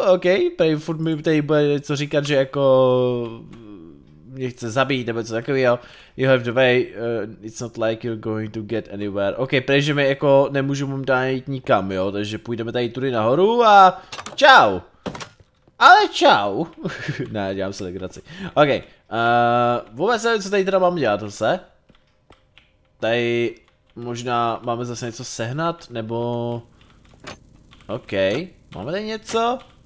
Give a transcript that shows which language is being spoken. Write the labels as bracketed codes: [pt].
[cs] OK, tady furt mi tady bude něco říkat, že jako... mě chce zabít, nebo co takového. [en] You have the way, it's not like you're going to get anywhere. [cs] OK, protože mi jako nemůžu mu dát nikam, jo, takže půjdeme tady tudy nahoru a... čau! Ale čau. Ne, dělám se legraci. OK. Vůbec nevím, co tady teda mám dělat zase. Tady možná máme zase něco sehnat, nebo... OK. Máme tady něco?